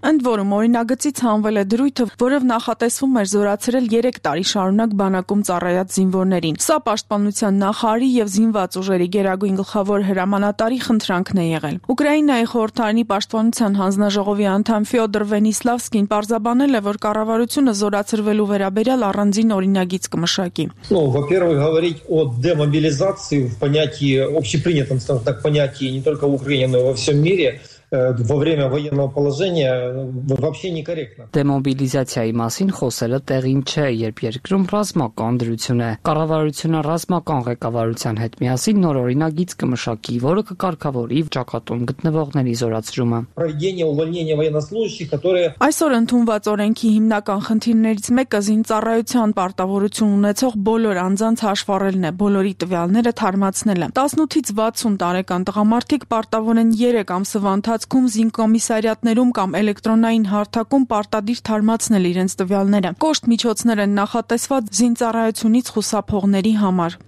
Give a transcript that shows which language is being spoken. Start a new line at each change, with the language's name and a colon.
Armenian: Ընդ որում օրինագծից հանվել է դրույթը, որով նախատեսվում էր զորացրել 3 տարի շարունակ բանակում ծառայած զինվորներին։ Սա պաշտպանության նախարարի եւ զինված ուժերի Գերագույն գլխավոր հրամանատարի խնդրանքն է եղել։ Ուկրաինայի խորհրդարանի պաշտպանության հանձնաժողովի անդամ Ֆյոդոր Վենիսլավսկին պարզաբանել է, որ կառավարությունը զորացրվելու վերաբերյալ առանձին օրինագիծ կմշակի։
Russian: Ну, во-первых, говорить о демобилизации в понятии общепринятом, скажем так, понятии не только в Украине, но и во всём мире. Во время военного положения вообще некорректно.
Armenian: Դեմոբիլիզացիայի մասին խոսելը տեղին չէ, երբ երկրում ռազմական դրություն է։ Կառավարությունը ռազմական ղեկավարության հետ միասին նոր օրինագիծ կմշակի, որը կկարգավորի ճակատում գտնվողների զորացրումը։
Russian: Проведение увольнения военнослужащих, которые
Armenian: Այսօր ընդունված օրենքի հիմնական խնդիրներից մեկը զինծառայության պարտավորություն ունեցող բոլոր անձանց հաշվառելն է, բոլորի տվյալները թարմացնելը։ 18-ից 60 տարեկան տղամարդիկ պարտավոր են 3 ամսվա ընթացքում զինկոմիսարիատներում կամ էլեկտրոնային հարթակում պարտադիր թարմացնել իրենց տվյալները։ Կոշտ միջոցներ են նախատեսված զինծառայությունից խուսափողների համար։